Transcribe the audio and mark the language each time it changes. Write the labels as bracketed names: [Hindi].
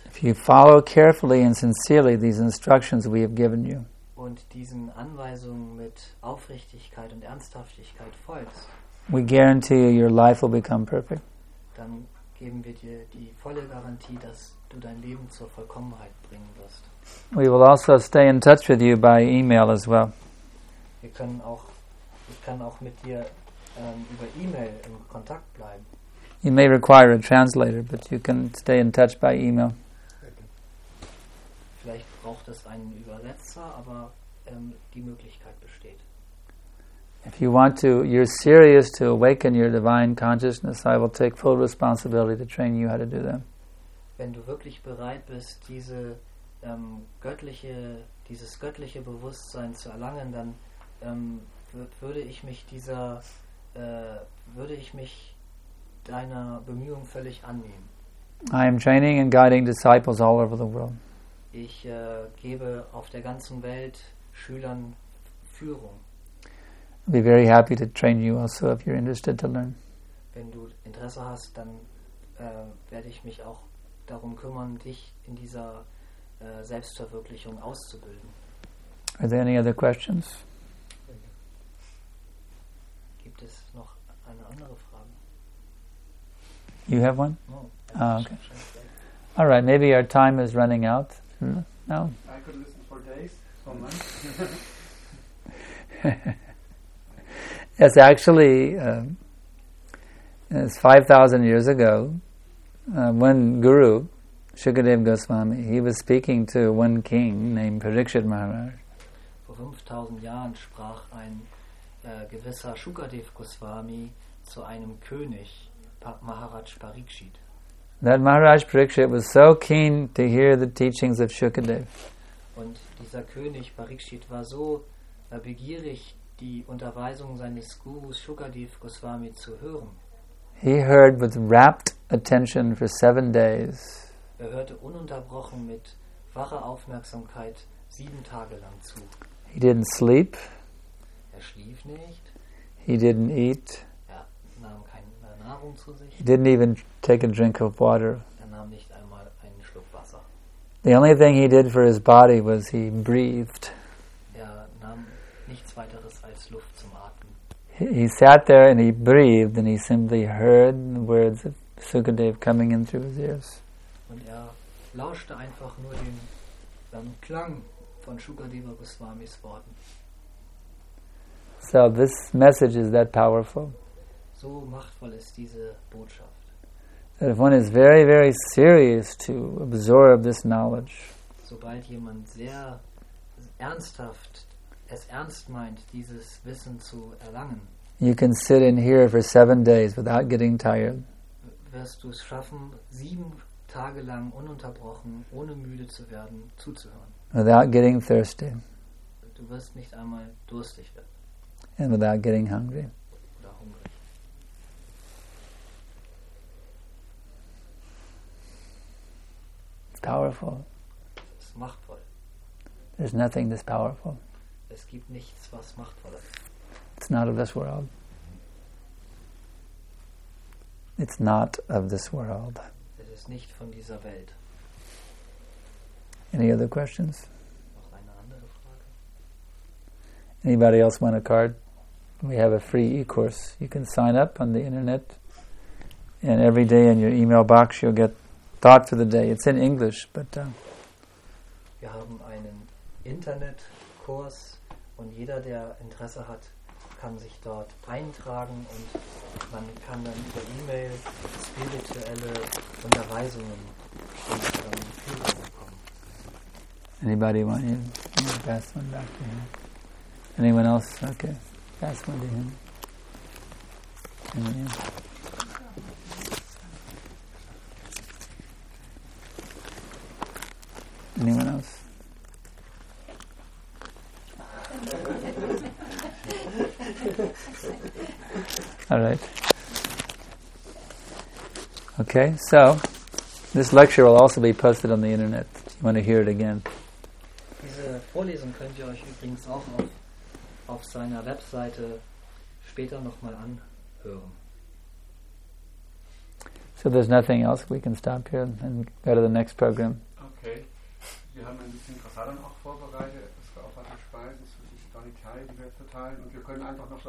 [English] If you follow carefully and sincerely these instructions we have given you, [German] und diesen Anweisungen mit Aufrichtigkeit und Ernsthaftigkeit folgst, [English] we guarantee you your life will become perfect. [German] Dann geben wir dir die volle Garantie, dass du dein Leben zur Vollkommenheit bringen wirst. [English] We will also stay in touch with you by email as well. [German] Ich kann auch mit dir über E-Mail in Kontakt bleiben. [English] You may require a translator, but you can stay in touch by email. [German] Vielleicht braucht es einen Übersetzer, aber die Möglichkeit besteht. [English] If you want to, you're serious to awaken your divine consciousness, I will take full responsibility to train you how to do that. [German] Wenn du wirklich bereit bist, dieses göttliche Bewusstsein zu erlangen, dann würde ich mich deiner Bemühung völlig annehmen. [English] I am training and guiding disciples all over the world. [German] Ich gebe auf der ganzen Welt Schülern Führung. [English] I'll be very happy to train you also if you're interested to learn. [German] Wenn du Interesse hast, dann werde ich mich auch darum kümmern, dich in dieser Selbstverwirklichung auszubilden. [English] Are there any other questions? [German] Gibt es noch eine andere Frage? [English] You have one? No. Oh, okay. All right, maybe our time is running out. No? I could listen for days, for months. It's actually, it's 5,000 years ago, one guru, Shukadeva Goswami, he was speaking to one king named Parikshit Maharaj. [German] Vor 5000 Jahren sprach ein gewisser Shukadev Goswami zu einem König, Maharaj Parikshit. [English] That Maharaj Parikshit was so keen to hear the teachings of Shukadev. [German] Und dieser König Parikshit war so begierig, die Unterweisungen seines Gurus Shukadev Goswami zu hören. [English] He heard with rapt attention for 7 days. [German] Er hörte ununterbrochen mit wacher Aufmerksamkeit 7 Tage lang zu. [English] He didn't sleep. [German] Er schlief nicht. [English] He didn't eat. [German] Er nahm keine Nahrung zu sich. [English] He didn't even take a drink of water. [German] Er nahm nicht einmal einen Schluck Wasser. [English] The only thing he did for his body was he breathed. [German] Er nahm nichts weiteres als Luft zum Atmen. [English] He sat there and he breathed and he simply heard the words of Sukadev coming in through his ears. [German] Und er lauschte einfach nur den Klang von Shukadeva Goswamis Worten. [English] So this message is that powerful. [German] So machtvoll ist diese Botschaft. [English] That if one is very, very serious to absorb this knowledge, [German] sobald jemand sehr ernsthaft es ernst meint, dieses Wissen zu erlangen, [English] you can sit in here for 7 days without getting tired. [German] Wirst du es schaffen, 7 Tage lang ununterbrochen, ohne müde zu werden, zuzuhören. [English] Without getting thirsty. [German] Du wirst nicht einmal durstig werden. [English] And without getting hungry. [German] Oder hungrig. [English] It's powerful. [German] Es ist machtvoll. [English] There's nothing this powerful. [German] Es gibt nichts, was machtvoller ist. [English] It's not of this world. It's not of this world. [German] Es ist nicht von dieser Welt. [English] Any other questions? [German] Noch eine andere Frage? [English] Anybody else want a card? We have a free e-course. You can sign up on the internet. And every day in your email box you'll get thought for the day. It's in English, but... [German] Wir haben einen Internetkurs und jeder, der Interesse hat, kann sich dort eintragen und man kann dann über E-Mail spirituelle Unterweisungen und Führungen bekommen. [English] Anybody want him? Yeah, pass one back to him. Anyone else? Okay. Pass one to him. Anyone else? Anyone else? All right. Okay, so this lecture will also be posted on the internet. You want to hear it again? [German] Diese Vorlesung könnt ihr euch übrigens auch auf seiner Webseite später nochmal anhören. [English] So there's nothing else. We can stop here and go to the next program. Okay. [German] Wir haben ein bisschen Prasadam auch vorbereitet. Es gab auch ein paar Speisen, es wird sich gar nicht teilen, die wir verteilen. Und wir können einfach noch so